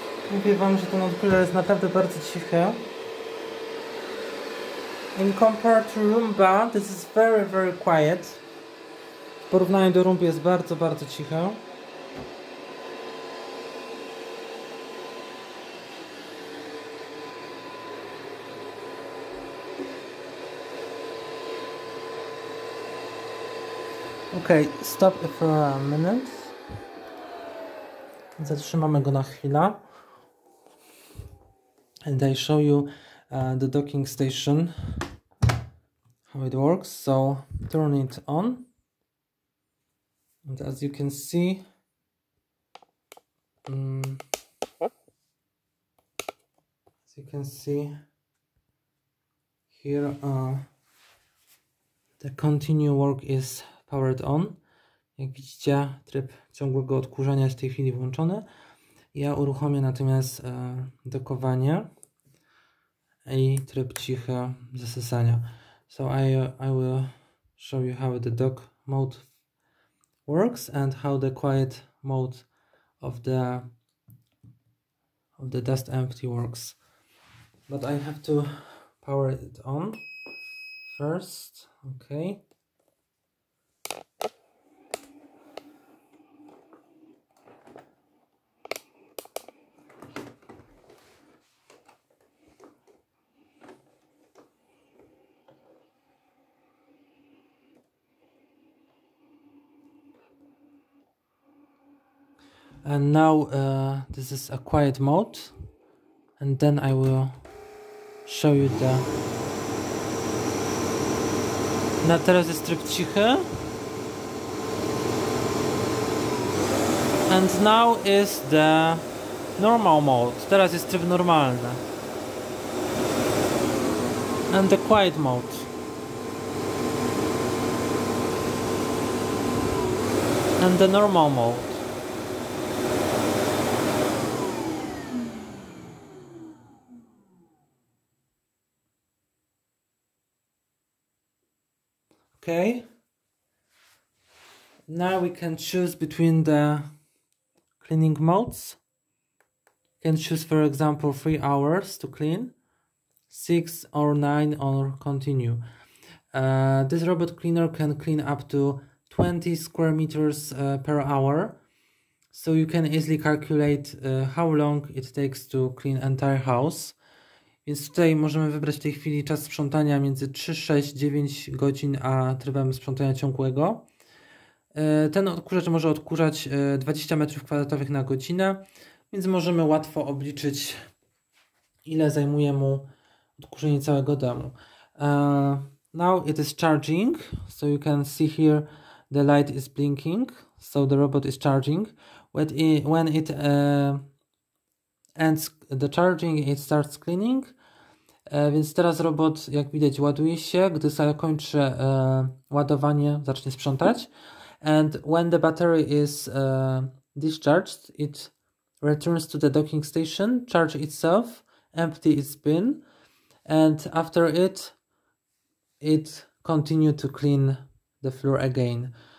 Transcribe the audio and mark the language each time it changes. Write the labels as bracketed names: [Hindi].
[Polish] Mówię wam, że ten odkurzacz jest naprawdę bardzo cichy. [English] In compared to Roomba, this is very, very quiet. [Polish] W porównaniu do Roomby jest bardzo, bardzo cichy. [English] Okay, stop for a minute. [Polish] Zatrzymamy go na chwilę. [English] And I show you the docking station, how it works. So turn it on. And as you can see, here the continue work is powered on. [Polish] Jak widzicie, tryb ciągłego odkurzania jest w tej chwili włączony. Ja uruchomię natomiast dokowanie i tryb cichy zasysania. [English] So I will show you how the dock mode works and how the quiet mode of the dust empty works. But I have to power it on first. Okay. And now this is a quiet mode, and then I will show you the... [Polish] No, teraz jest tryb cichy. [English] And now is the normal mode. [Polish] Teraz jest tryb normalny. [English] And the quiet mode. And the normal mode. Okay. Now we can choose between the cleaning modes. You can choose, for example, 3 hours to clean, 6 or 9 or continue. This robot cleaner can clean up to 20 square meters per hour. So you can easily calculate how long it takes to clean entire house. [Polish] Więc tutaj możemy wybrać w tej chwili czas sprzątania między 3, 6, 9 godzin, a trybem sprzątania ciągłego. Ten odkurzacz może odkurzać 20 metrów kwadratowych na godzinę, więc możemy łatwo obliczyć, ile zajmuje mu odkurzenie całego domu. [English] Now it is charging, so you can see here the light is blinking, so the robot is charging. When it ends the charging, it starts cleaning. [Polish] Więc teraz robot, jak widać, ładuje się, gdy zakończy ładowanie, zacznie sprzątać. [English] And when the battery is discharged, it returns to the docking station, charge itself, empty its bin, and after it continue to clean the floor again.